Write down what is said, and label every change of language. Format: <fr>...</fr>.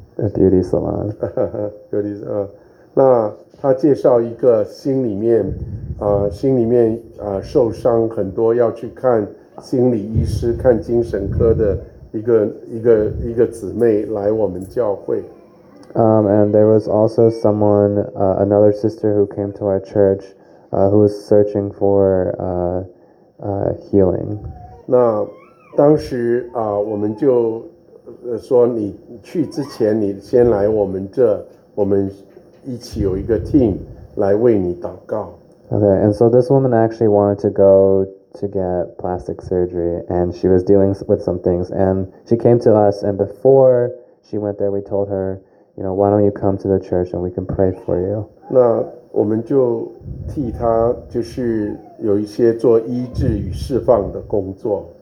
<en>a beauty salon. Beauty salon.</en> <zh>那他介绍一个心里面受伤很多要去看心理医师、看精神科的一个姊妹来我们教会。</zh> <en>And there was also someone, another sister who came to our church, who was searching for healing.</en> <zh>那当时我们就说你去之前你先来我们这我们一起有一个 team 来为你祷告。</zh> <en>Okay, and so this woman actually wanted to go to get plastic surgery and she was dealing with some things and she came to us and before she went there we told her, you know, why don't you come to the church and we can pray for you.</en> <zh>那我们就替她就是有一些做医治与释放的工作。</zh>